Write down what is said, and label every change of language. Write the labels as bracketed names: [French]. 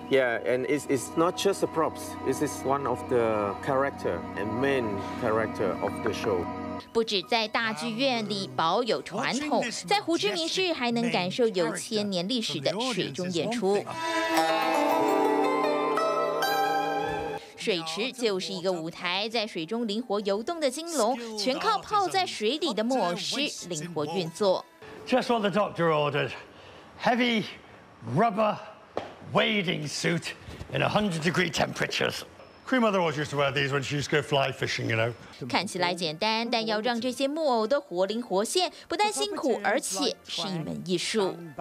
[English] And, yeah, and it's not just the props. This is one of the character and main character of the show. [Chinese] 不止在大剧院里保有传统，在胡志明市还能感受有千年历史的水中演出。水池就是一个舞台，在水中灵活游动的金龙，全靠泡在水里的墨狮灵活运作。 [English] Just what the doctor ordered: heavy rubber wading suit in 100-degree temperatures. Grandmother always used to wear these when she used to go fly fishing, you know. [Chinese] 看起来简单，但要让这些木偶都活灵活现，不但辛苦，而且是一门艺术。